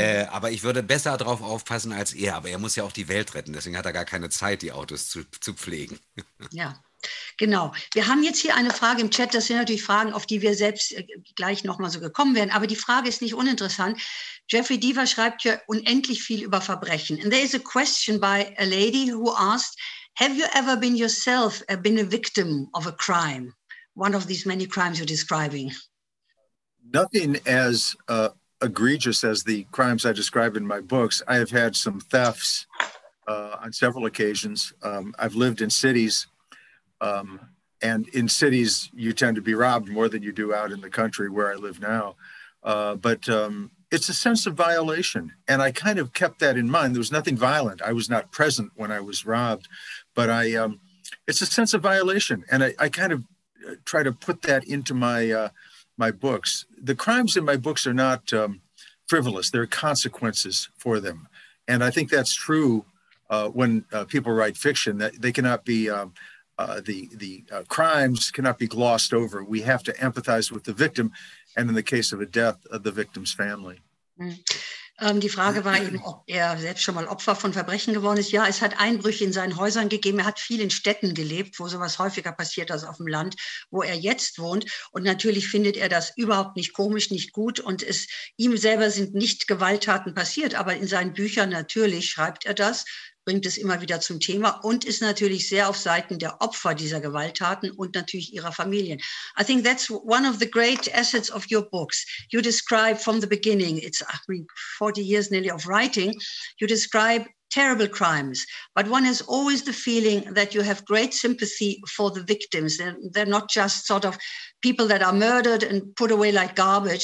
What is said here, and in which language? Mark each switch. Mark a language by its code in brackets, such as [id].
[de] Aber ich würde besser darauf aufpassen als er, aber er muss ja auch die Welt retten, deswegen hat er gar keine Zeit, die Autos zu pflegen. Ja, genau. Wir haben jetzt hier eine Frage im Chat, das sind natürlich Fragen, auf die wir selbst gleich nochmal so gekommen wären, aber die Frage ist nicht uninteressant. Jeffery Deaver schreibt ja unendlich viel über Verbrechen. [en] And there is a question by a lady who asked, have you ever been yourself been a victim of a crime, one of these many crimes you're describing? Nothing as egregious as the crimes I describe in my books. I have had some thefts on several occasions. I've lived in cities, and in cities you tend to be robbed more than you do out in the country where I live now. But it's a sense of violation, and I kind of kept that in mind. There was nothing violent. I was not present when I was robbed. But it's a sense of violation. And I kind of try to put that into my books. The crimes in my books are not frivolous. There are consequences for them. And I think that's true when people write fiction, that they cannot be, the crimes cannot be glossed over. We have to empathize with the victim. And in the case of a death, the victim's family. Mm. [de] Die Frage war eben, ob er selbst schon mal Opfer von Verbrechen geworden ist. Ja, es hat Einbrüche in seinen Häusern gegeben. Er hat viel in Städten gelebt, wo sowas häufiger passiert als auf dem Land, wo er jetzt wohnt. Und natürlich findet er das überhaupt nicht komisch, nicht gut. Und ihm selber sind nicht Gewalttaten passiert, aber in seinen Büchern natürlich schreibt er das, bringt es immer wieder zum Thema und ist natürlich sehr auf Seiten der Opfer dieser Gewalttaten und natürlich ihrer Familien. [en] I think that's one of the great assets of your books. You describe from the beginning, it's 40 years nearly of writing, you describe terrible crimes, but one has always the feeling that you have great sympathy for the victims. They're not just sort of people that are murdered and put away like garbage.